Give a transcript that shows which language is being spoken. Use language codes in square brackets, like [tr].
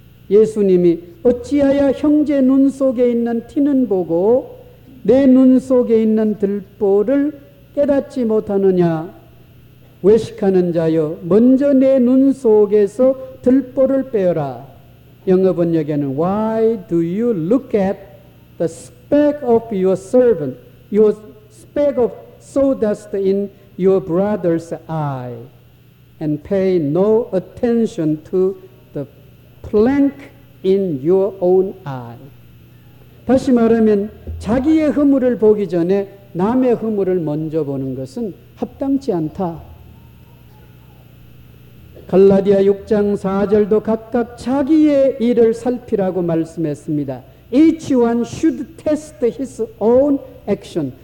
[ko] 예수님이 어찌하여 형제 눈 속에 있는 티는 보고 내 눈 속에 있는 들보를 깨닫지 못하느냐. 외식하는 자여 먼저 내 눈 속에서 들보를 빼어라. 영어 번역에는 [en] Why do you look at the speck of your servant, your speck of sawdust in your brother's eye, and pay no attention to the plank in your own eye? [ko] 다시 말하면 자기의 허물을 보기 전에 남의 허물을 먼저 보는 것은 합당치 않다. 갈라디아 6장 4절도 각각 자기의 일을 살피라고 말씀했습니다. [en] Each one should test his own action.